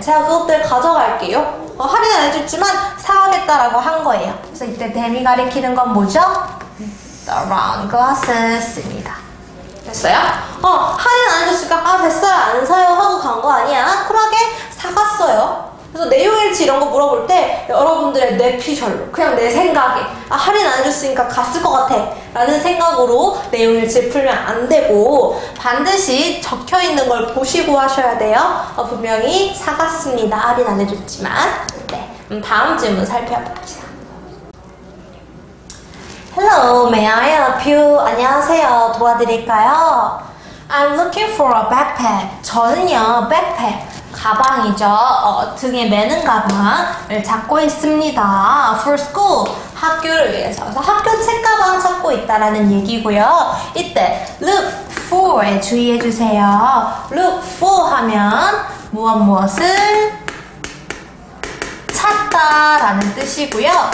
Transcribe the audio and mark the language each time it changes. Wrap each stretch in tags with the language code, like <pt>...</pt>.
<ko>제가 그것들 가져갈게요. 할인은 안 해줬지만 사가겠다라고 한 거예요. 그래서 이때 댐이 가리키는 건 뭐죠?</ko> <en>The wrong glasses입니다.</en> <ko>됐어요? 할인 안 해줬으니까 됐어요. 안 사요 하고 간 거 아니야? 쿨하게 사갔어요. 그래서 내용일지 이런 거 물어볼 때 여러분들의 뇌피셜로 그냥 내 생각에 할인 안 해줬으니까 갔을 것 같아 라는 생각으로 내용일지 풀면 안 되고 반드시 적혀있는 걸 보시고 하셔야 돼요 분명히 사갔습니다 할인 안 해줬지만 네, 그럼 다음 질문 살펴봅시다</ko> <en>Hello, may I help you?</en> <ko>안녕하세요, 도와드릴까요?</ko> <en>I'm looking for a backpack</en> <ko>저는요, 백팩 가방이죠. 등에 매는 가방을 찾고 있습니다.</ko> <en>For school,</en> <ko>학교를 위해서. 그래서 학교 책가방 찾고 있다라는 얘기고요. 이때 look for에 주의해 주세요. look for 하면 무엇 무엇을 찾다라는 뜻이고요.</ko>